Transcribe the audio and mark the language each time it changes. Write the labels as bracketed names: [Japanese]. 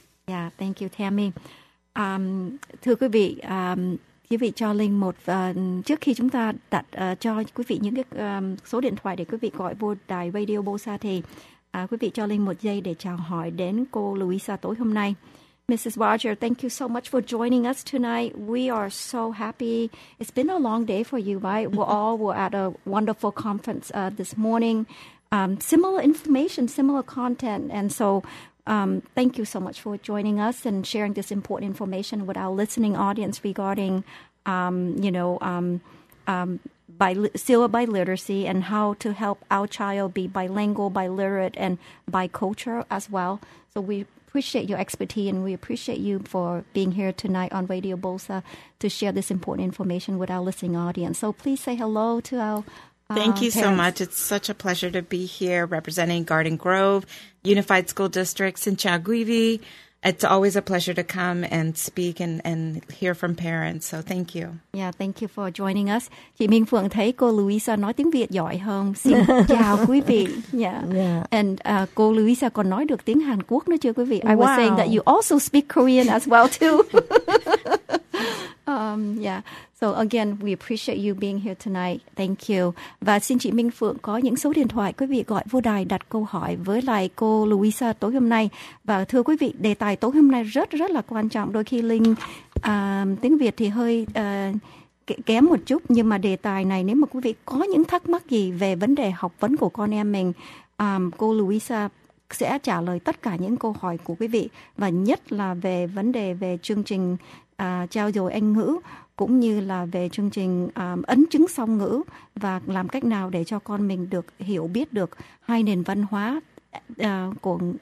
[English] Yeah, thank you Tammy. [Vietnamese] Thưa quý vị, quý vị cho Linh một trước khi chúng ta đặt cho quý vị những cái số điện thoại để quý vị gọi vô đài Radio Bosa, thì quý vị cho Linh một giây để chào hỏi đến cô Louisa tối hôm nay. [English] Mrs. Roger, thank you so much for joining us tonight. We are so happy. It's been a long day for you, right? We all were at a wonderful conference this morning. Similar information, similar content. And so thank you so much for joining us and sharing this important information with our listening audience regarding, syllabi literacy and how to help our child be bilingual, biliterate, and bicultural as well. So we appreciate your expertise, and we appreciate you for being here tonight on Radio Bosa to share this important information with our listening audience. So please say hello to our Thank you parents. So much. It's such a pleasure to be here representing Garden Grove Unified School District, Sinchaguivi. It's always a pleasure to come and speak and hear from parents. So thank you. Yeah, thank you for joining us. [Vietnamese] Chị Minh Phượng thấy cô Louisa nói tiếng Việt giỏi hơn. Xin chào quý vị. [English] Yeah. And [Vietnamese] cô Louisa còn nói được tiếng Hàn Quốc nữa chưa quý vị? [English] Wow. I was saying that you also speak Korean as well too. Yeah. So again, we appreciate you being here tonight. Thank you. [Vietnamese] Và xin chị Minh Phượng có những số điện thoại quý vị gọi vô đài đặt câu hỏi với lại cô Louisa tối hôm nay. Và thưa quý vị, đề tài tối hôm nay rất rất là quan trọng. Đôi khi Linh tiếng Việt thì hơi kém một chút, nhưng mà đề tài này nếu mà quý vị có những thắc mắc gì về vấn đề học vấn của con em mình, cô Louisa sẽ trả lời tất cả những câu hỏi của quý vị, và nhất là về vấn đề về chương trình trao dồi Anh ngữ, cũng như là về chương trình ấn chứng song ngữ, và làm cách nào để cho con mình được hiểu biết được hai nền văn hóa của